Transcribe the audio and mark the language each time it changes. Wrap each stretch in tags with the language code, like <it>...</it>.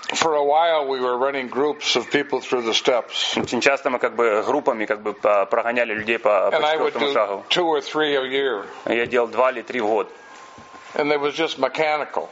<en>For a while we were running groups of people through the steps.</en> <ru>Очень часто мы группами прогоняли людей по четвертому шагу.</ru> <en>And I would do two or three a year.</en> <ru>Я делал два или три в год.</ru> <en>And it was just mechanical.</en>